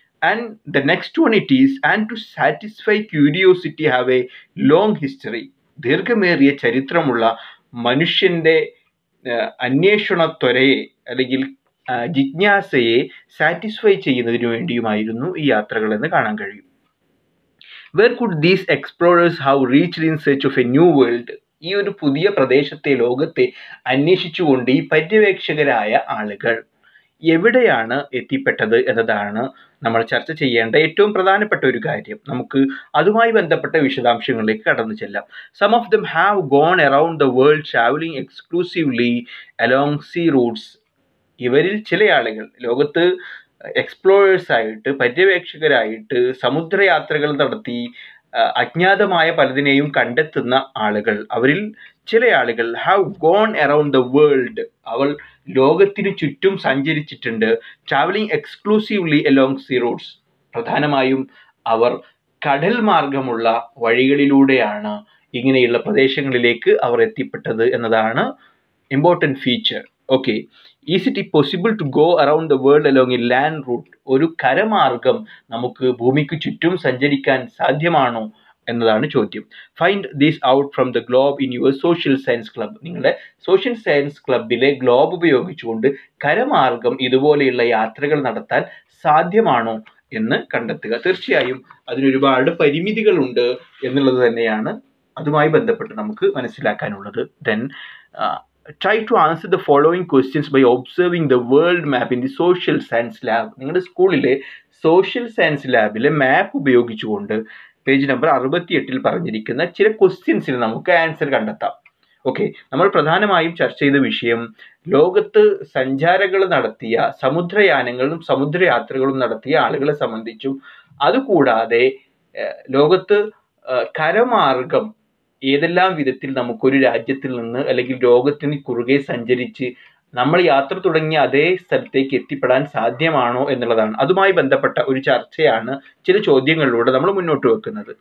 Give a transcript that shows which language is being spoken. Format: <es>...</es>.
<en>And the next one it is and to satisfy curiosity have a long history.</en> <ml>ദീർഘമേറിയ ചരിത്രമുള്ള മനുഷ്യൻ്റെ അന്വേഷണത്വരയെ അല്ലെങ്കിൽ ജിജ്ഞാസയെ satisfy ചെയ്യുന്നതിനു വേണ്ടിയുമായിരുന്നു ഈ യാത്രകളെന്ന് കാണാൻ കഴിയും.</ml> <en>Where could these explorers have reached in search of a new world?</en> <ml>ഈ ഒരു പുതിയ പ്രദേശത്തെ, ലോകത്തെ അന്വേഷിച്ചുകൊണ്ട് ഈ പര്യവേക്ഷകരായ ആളുകൾ എവിടെയാണ് എത്തിപ്പെട്ടത് എന്നതാണ് നമ്മൾ ചർച്ച ചെയ്യേണ്ട ഏറ്റവും പ്രധാനപ്പെട്ട ഒരു കാര്യം. നമുക്ക് അതുമായി ബന്ധപ്പെട്ട വിശദാംശങ്ങളിലേക്ക് കടന്നു ചെല്ലാം.</ml> <en>Some of them have gone around the world traveling exclusively along sea routes.</en> <ml>ഇവരിൽ ചില ആളുകൾ ലോകത്ത് എക്സ്പ്ലോറേഴ്സായിട്ട്, പര്യവേക്ഷകരായിട്ട് സമുദ്രയാത്രകൾ നടത്തി അജ്ഞാതമായ പലതിനെയും കണ്ടെത്തുന്ന ആളുകൾ, അവരിൽ ചില ആളുകൾ</ml> <en>have gone around the world,</en> <ml>അവൾ ലോകത്തിന് ചുറ്റും സഞ്ചരിച്ചിട്ടുണ്ട്.</ml> <en>travelling exclusively along sea roads,</en> <ml>പ്രധാനമായും അവർ കടൽ മാർഗമുള്ള വഴികളിലൂടെയാണ് ഇങ്ങനെയുള്ള പ്രദേശങ്ങളിലേക്ക് അവർ എത്തിപ്പെട്ടത് എന്നതാണ് important feature.</ml> <en>okay, is it possible to go around the world along a land route,</en> <ml>ഒരു കരമാർഗം നമുക്ക് ഭൂമിക്ക് ചുറ്റും സഞ്ചരിക്കാൻ സാധ്യമാണോ എന്നതാണ് ചോദ്യം.</ml> <en>Find these out from the globe in your social science club.</en> <ml>നിങ്ങളുടെ സോഷ്യൽ സയൻസ് ക്ലബിലെ ഗ്ലോബ് ഉപയോഗിച്ചുകൊണ്ട് കരമാർഗം ഇതുപോലെയുള്ള യാത്രകൾ നടത്താൻ സാധ്യമാണോ എന്ന് കണ്ടെത്തുക. തീർച്ചയായും അതിനൊരുപാട് പരിമിതികളുണ്ട് എന്നുള്ളത് തന്നെയാണ് അതുമായി ബന്ധപ്പെട്ട് നമുക്ക് മനസ്സിലാക്കാനുള്ളത്.</ml> <en>Then try to answer the following questions by observing the world map in the social science lab.</en> <ml>നിങ്ങളുടെ സ്കൂളിലെ സോഷ്യൽ സയൻസ് ലാബിലെ മാപ്പ് ഉപയോഗിച്ചുകൊണ്ട് പേജ് നമ്പർ 68 പറഞ്ഞിരിക്കുന്ന ചില ക്വസ്റ്റ്യൻസിന് നമുക്ക് ആൻസർ കണ്ടെത്താം. ഓക്കെ, നമ്മൾ പ്രധാനമായും ചർച്ച ചെയ്ത വിഷയം ലോകത്ത് സഞ്ചാരികൾ നടത്തിയ സമുദ്രയാനങ്ങളും സമുദ്രയാത്രകളും നടത്തിയ ആളുകളെ സംബന്ധിച്ചും, അതുകൂടാതെ ലോകത്ത് കരമാർഗം ഏതെല്ലാം വിധത്തിൽ നമുക്കൊരു രാജ്യത്തിൽ നിന്ന് അല്ലെങ്കിൽ ലോകത്തിന് കുറുകെ സഞ്ചരിച്ച് നമ്മൾ യാത്ര തുടങ്ങിയ അതേ സ്ഥലത്തേക്ക് എത്തിപ്പെടാൻ സാധ്യമാണോ എന്നുള്ളതാണ്, അതുമായി ബന്ധപ്പെട്ട ഒരു ചർച്ചയാണ് ചില ചോദ്യങ്ങളിലൂടെ നമ്മൾ മുന്നോട്ട് വെക്കുന്നത്.</ml>